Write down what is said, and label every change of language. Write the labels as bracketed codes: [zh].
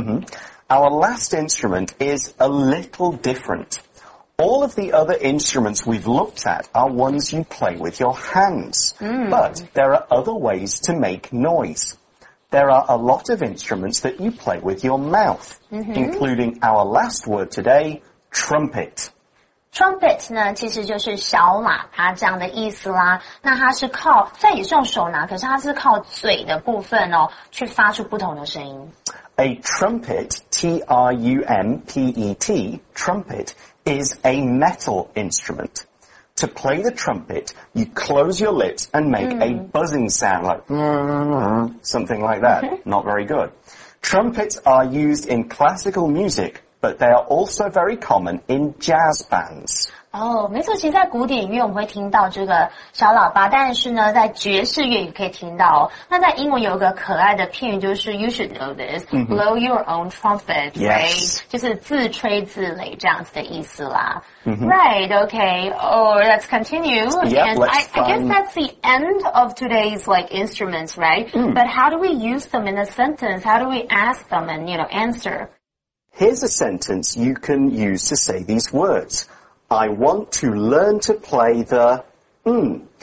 [en] Mm-hmm. Our last instrument is a little different. All of the other instruments we've looked at are ones you play with your hands.、Mm. But there are other ways to make noise. There are a lot of instruments that you play with your mouth,、mm-hmm. including our last word today, trumpet. [zh] Trumpet 呢其实就是小喇叭这样的意思啦那它是靠虽然也是用手拿可是它是靠嘴的部分哦去发出不同的声音 [en] A trumpet T-R-U-M-P-E-T Trumpet is a metal instrument To play the trumpet you close your lips and make、mm. a buzzing sound like something like that not very good Trumpets are used in classical musicBut they are also very common in jazz bands. [zh] 哦、oh, ，没错，其实在古典音乐我们会听到这个小喇叭，但是呢，在爵士乐也可以听到、哦。那在英文有一个可爱的片语，就是 [en] "You should know this,、 [zh] mm-hmm. [en] blow your own trumpet,、 yes. right?" [zh] 就是自吹自擂这样子的意思啦。 [en] Mm-hmm. Right, okay. Oh, let's continue. Yep, and I guess that's the end of today's like instruments, right?、Mm. But how do we use them in a sentence? How do we ask them and you know answer? Here's a sentence you can use to say these words. I want to learn to play the... Mm.